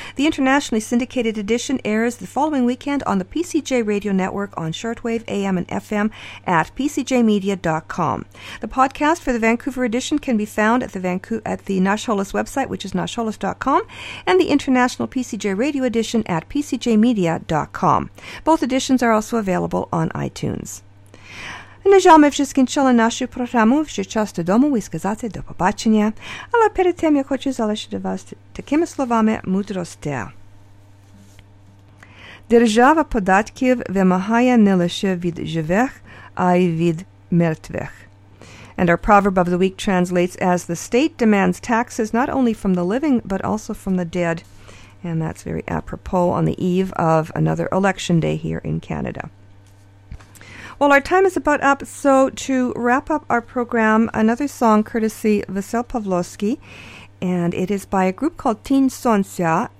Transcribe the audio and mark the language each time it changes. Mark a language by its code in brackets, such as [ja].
[en] The internationally syndicated edition airs the following weekend on the PCJ Radio Network on shortwave, AM, and FM at pcjmedia.com. The podcast for the Vancouver edition can be found at the Nash Holos website, which is nashholos.com, and the international PCJ Radio edition at pcjmedia.com. Both editions are also available on iTunes. [uk] На жаль, ми вже скінчили нашу програму. Вже час додому і сказати до побачення. Але перед тим я хочу залишити вас такими словами мудрості. Держава податків вимагає не лише від живих, а й від мертвих. [en] And our proverb of the week translates as the state demands taxes not only from the living but also from the dead. And that's very apropos on the eve of another election day here in Canada. Well, our time is about up, so to wrap up our program, another song courtesy Vasil Pavlovsky, and it is by a group called Tin Sonsia.